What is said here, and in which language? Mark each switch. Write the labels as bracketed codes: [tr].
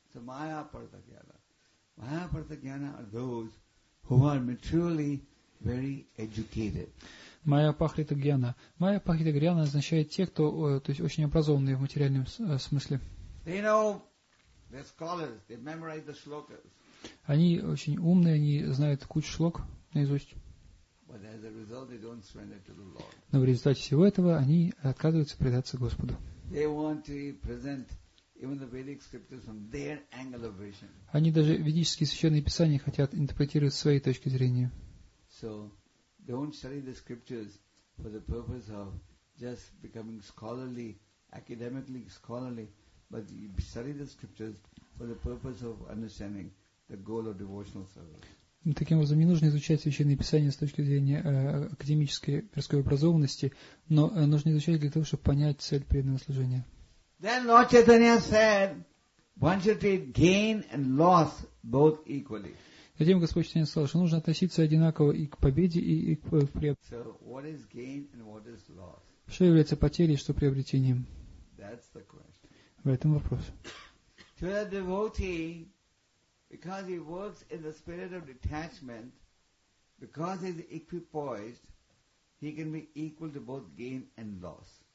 [en] So [sa] майя парта гьяна [en] are those who are maturely very educated. [sa] Майя пахрита гьяна. Майя пахрита гьяна [ru] означает те, кто, то есть, очень образованные в материальном смысле. [en] They know. They're scholars. They memorize the shlokas. [ru] Они очень умные, они знают кучу шлок наизусть. [en] But as a result, they don't surrender to the Lord. [ru] Но в результате всего этого они отказываются предаться Господу. [en] They want to present even the Vedic scriptures from their angle of vision. [ru] Они даже ведические священные писания хотят интерпретировать с своей точки зрения. [en] So don't study the scriptures for the purpose of just becoming scholarly, academically scholarly. But you study the scriptures for the purpose of understanding the goal of devotional service. [ru] Таким образом, не нужно изучать священные писания с точки зрения академической мирской образованности, но нужно изучать для того, чтобы понять цель преданного служения. [en] Then Lord Chaitanya said, one should treat gain and loss both equally. [ru] Затем Господь Чайтанья сказал, что нужно относиться одинаково и к победе, и к приобретению. [en] So what is gain and what is loss? [ru] Что является потерей, что приобретением? [en] That's the question. [ru] В этом вопрос. [en] To a devotee, because he works in the spirit of detachment, because he is equipoised, he can be equal to both gain and loss.